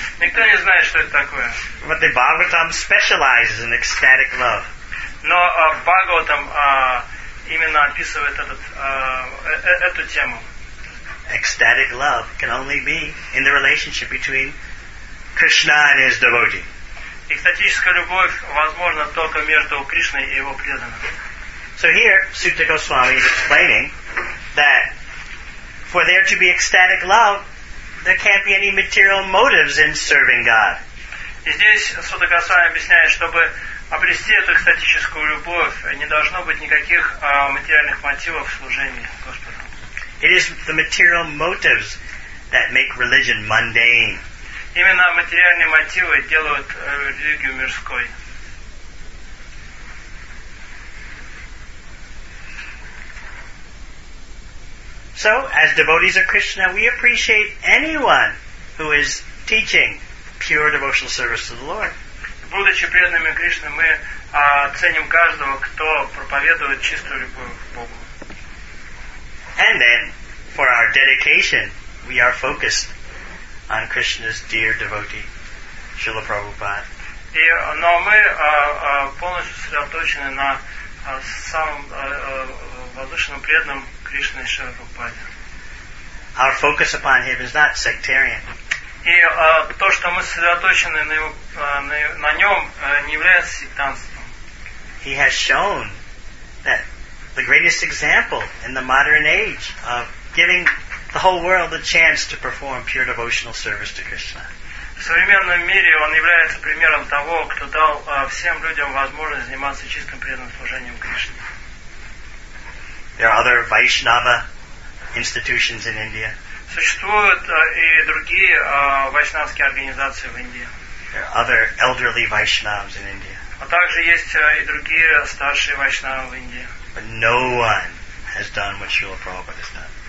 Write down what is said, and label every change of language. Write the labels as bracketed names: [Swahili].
[Russian] Никто не знает, что это такое. [English] But the Bhagavatam specializes in ecstatic love. [Russian] Но Бхагаватам именно описывает эту тему. [English] Ecstatic love can only be in the relationship between Krishna and his devotee. [Russian] Экстатическая любовь возможна только между Кришной и его преданным. [English] So here, Sutta Goswami is explaining that for there to be ecstatic love, there can't be any material motives in serving God. [Russian] И здесь Сутта Госвами объясняет, чтобы обрести эту экстатическую любовь, не должно быть никаких материальных мотивов в служении Господу. [English] It is the material motives that make religion mundane. [Russian] Именно материальные мотивы делают религию мирской. [English] So, as devotees of Krishna, we appreciate anyone who is teaching pure devotional service to the Lord. [Russian] Будучи преданными Кришны, мы ценим каждого, кто проповедует чистую любовь к Богу. [English] And then, for our dedication, we are focused on Krishna's dear devotee, Śrīla Prabhupāda. [Russian] Но мы полностью сосредоточены на самом возвышенном преданном Кришне Śrīla Prabhupāda. [English] Our focus upon him is not sectarian. [Russian] И то, что мы сосредоточены на нем, не является сектантством. [English] He has shown that the greatest example in the modern age of giving the whole world the chance to perform pure devotional service to Krishna. [Russian] В современном мире он является примером того, кто дал всем людям возможность заниматься чистым преданным служением Кришне. [English] There are other Vaishnava institutions in India. [Russian] Существуют и другие вайшнавские организации в Индии. [English] There are other elderly Vaishnavs in India. [Russian] А также есть и другие старшие вайшнавы в Индии. [English] But no one has done what Śrīla Prabhupāda has done.